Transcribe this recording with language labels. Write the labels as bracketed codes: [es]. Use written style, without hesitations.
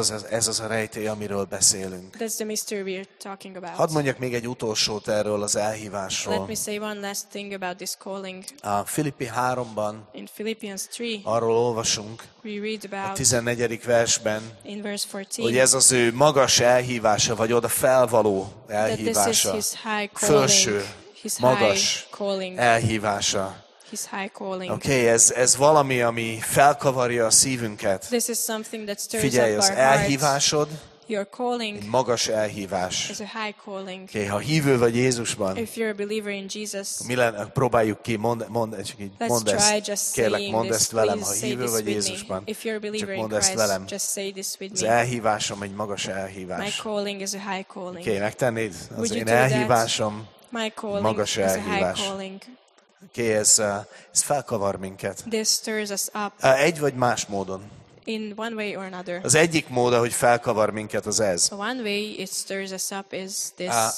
[hu] Ez az a rejtély, amiről beszélünk. [en] That's the mystery we're talking about. [hu] Hadd mondjak még egy utolsót erről az elhívásról. [en] Let me say one last thing about this calling. [hu] A Filippi 3-ban. [en] In Philippians 3. [hu] Arról olvasunk. [en] We read about. [hu] A 14. versben. [en] In verse 14. [hu] Hogy ez az ő magas elhívása, vagy oda felvaló elhívása. [en] That this is his high calling. [hu] Felső. [en] His [hu] magas [en] high calling. [hu] Elhívása. [en] His high calling. [hu] Okay, ez valami, ami felkavarja a szívünket. [en] This is something that stirs [hu] figyelj, [en] up [hu] az [en] our [hu] elhívásod [en] hearts. Your calling [hu] egy magas elhívás. [en] Is a high calling. [hu] Okay, ha hívő vagy Jézusban, [en] if you're a believer in Jesus, [hu] mi lenne, próbáljuk ki, mondd ezt. Kérlek, mondd ezt velem, ha hívő vagy Jézusban. [en] If you're a believer [hu] csak mondd [en] in Christ, [hu] ezt velem. [en] Just say this with me. [hu] Az elhívásom egy magas elhívás. [en] My calling is a high calling. [hu] Okay, megtennéd? Az [en] would [hu] én elhívásom. [en] That? My calling [hu] magas [en] is [hu] elhívás. [en] A high calling. [hu] Okay, ez felkavar minket. [en] This stirs us up. [hu] Egy vagy más módon. [en] In one way or another. [hu] Az egyik mód, hogy felkavar minket, az ez. [en] One way it stirs us up is this.